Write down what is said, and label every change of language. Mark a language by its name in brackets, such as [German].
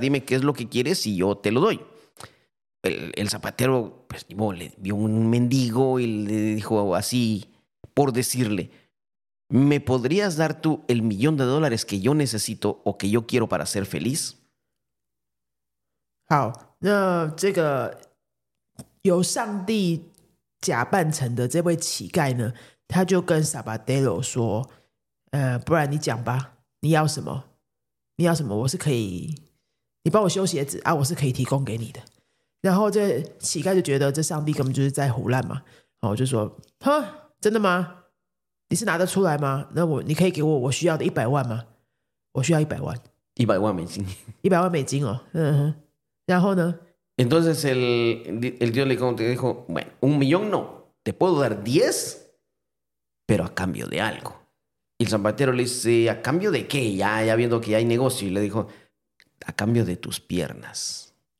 [Spanish] Dime qué es lo que quieres y yo te lo doy. El zapatero, pues, le vio un mendigo y le dijo así, por decirle, ¿me podrías dar tú el millón de dólares que yo necesito o que yo quiero para ser feliz? [Chinese] 好，那这个由上帝假扮成的这位乞丐呢，他就跟撒巴德罗说， 不然你讲吧，你要什么？你要什么？我是可以，你帮我修鞋子啊，我是可以提供给你的。然后这乞丐就觉得这上帝根本就是在胡乱嘛。哦，我就说，哈，真的吗？你是拿得出来吗？那你可以给我需要的100万吗？我需要100万。100万美金。100万美金哦，然后呢？ [Spanish] Entonces el Dios le dijo, bueno, un millón no, te puedo dar 10, pero a cambio de algo. Y el zapatero le dice, ¿a cambio de qué? Ya viendo que ya hay negocio. Y le dijo, a cambio de tus piernas.